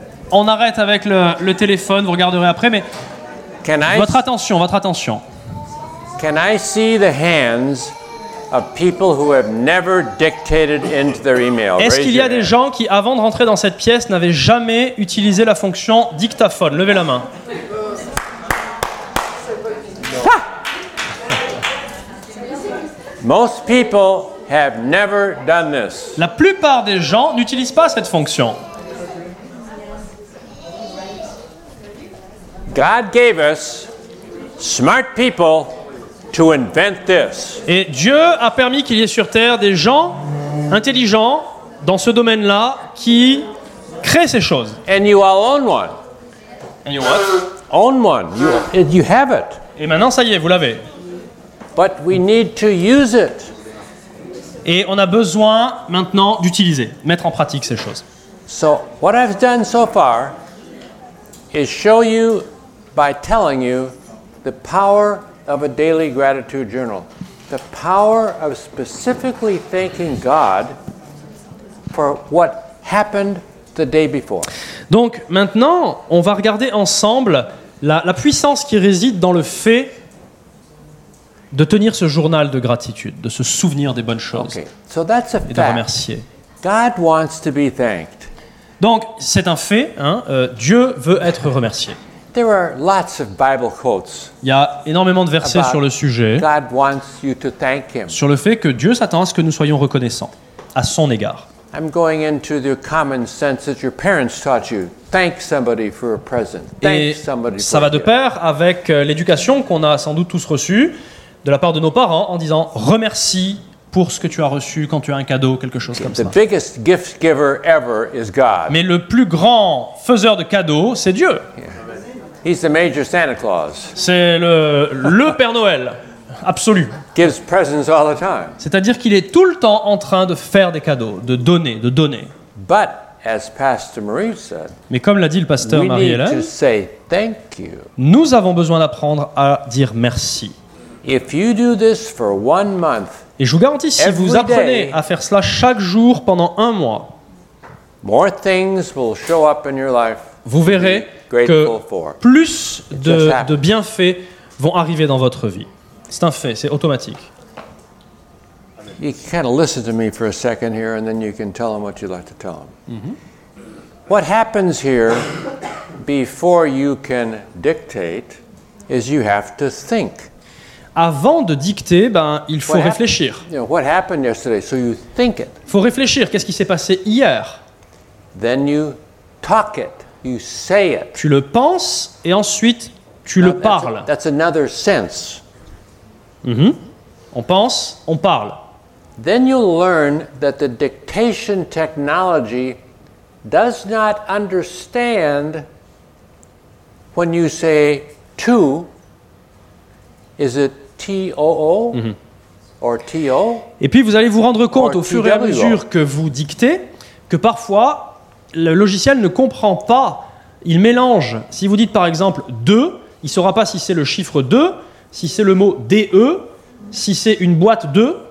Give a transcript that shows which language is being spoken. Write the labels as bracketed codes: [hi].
[fr] On arrête avec le téléphone, vous regarderez après, mais Votre attention. [en] Can I see the hands of people who have never dictated into their email? [fr] Est-ce qu'il y a des gens qui avant de rentrer dans cette pièce n'avaient jamais utilisé la fonction dictaphone? Levez la main. [en] Most people have never done this. [fr] La plupart des gens n'utilisent pas cette fonction. [en] God gave us smart people to invent this. [fr] Et Dieu a permis qu'il y ait sur Terre des gens intelligents dans ce domaine-là qui créent ces choses. [en] And you all own one. And you what? Own one. You have it. [fr] Et maintenant, ça y est, vous l'avez. [en] But we need to use it. [fr] Et on a besoin maintenant d'utiliser, mettre en pratique ces choses. [en] So what I've done so far is show you by telling you the power of a daily gratitude journal. The power of specifically thanking God for what happened the day before. [fr] Donc maintenant, on va regarder ensemble la puissance qui réside dans le fait de tenir ce journal de gratitude, de se souvenir des bonnes choses [en] so that's a [fr] et de remercier. [en] God wants to be thanked. [fr] Donc, c'est un fait, hein, Dieu veut être remercié. [en] There are lots of Bible quotes. [fr] Il y a énormément de versets sur le sujet, [en] God wants you to thank him. [fr] Sur le fait que Dieu s'attend à ce que nous soyons reconnaissants à son égard. [en] I'm going into the common sense that your parents taught you. Thank somebody for a present. [fr] Et [en] thank somebody [fr] ça va de pair avec l'éducation qu'on a sans doute tous reçue de la part de nos parents en disant remercie pour ce que tu as reçu quand tu as un cadeau, quelque chose comme [en] the The biggest gift giver ever is God. [fr] Mais le plus grand faiseur de cadeaux, c'est Dieu. [en] Yeah. He's the major Santa Claus. [fr] C'est le Père Noël absolu. [en] Gives presents all the time. [fr] C'est-à-dire qu'il est tout le temps en train de faire des cadeaux, de donner, de donner. [en] But as Pastor Marie said, [fr] mais comme l'a dit le pasteur Marie-Hélène, [en] we need to say thank you. [fr] Nous avons besoin d'apprendre à dire merci. [en] If you do this for one month, [fr] et je vous garantis, si vous apprenez à faire cela chaque jour pendant un mois, [en] more things will show up in your life, [fr] vous verrez que plus de bienfaits vont arriver dans votre vie. C'est un fait, c'est automatique. [en] You kind of listen to me for a second here, and then you can tell them what you'd like to tell them. Mm-hmm. What happens here before you can dictate is you have to think. [fr] Avant de dicter, ben il faut [en] what [fr] réfléchir. [en] Happened, you know, what happened yesterday? So you think it. [fr] Faut réfléchir. Qu'est-ce qui s'est passé hier? [en] Then you talk it. You say it. [fr] Tu le penses et ensuite tu [en] Now, [fr] le parles. [en] That's another sense. [fr] Mm-hmm. On pense, on parle. [en] Then you'll learn that the dictation technology does not understand when you say to. Is it T-O-O mm-hmm. or T-O? [fr] Et puis vous allez vous rendre compte au fur et à mesure que vous dictez que parfois le logiciel ne comprend pas, il mélange. Si vous dites par exemple 2, il ne saura pas si c'est le chiffre 2, si c'est le mot D-E, si c'est une boîte 2.